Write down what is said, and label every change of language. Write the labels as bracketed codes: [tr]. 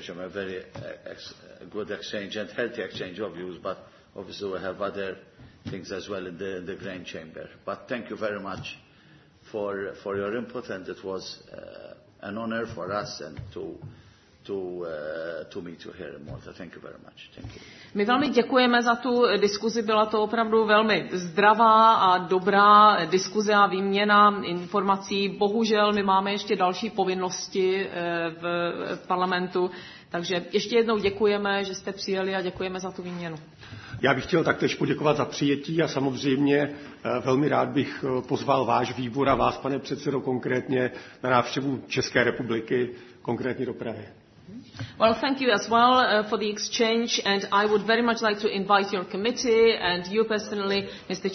[en] Chairman, a very good exchange and healthy exchange of views, but obviously we have other things as well in the Grand Chamber. But thank you very much for your input, and it was an honour for us and to meet you here in Malta. Thank you very much. Thank you. [cs] My velmi děkujeme za tu diskuzi. Byla to opravdu velmi zdravá a dobrá diskuze a výměna informací. Bohužel my máme ještě další povinnosti v parlamentu. Takže ještě jednou děkujeme, že jste přijeli, a děkujeme za tu výměnu. Já bych chtěl taktéž poděkovat za přijetí a samozřejmě velmi rád bych pozval váš výbor a vás, pane předsedo, konkrétně na návštěvu České republiky, konkrétně do Prahy. [en] Well, thank you as well for the exchange, and I would very much like to invite your committee and you personally, Mr.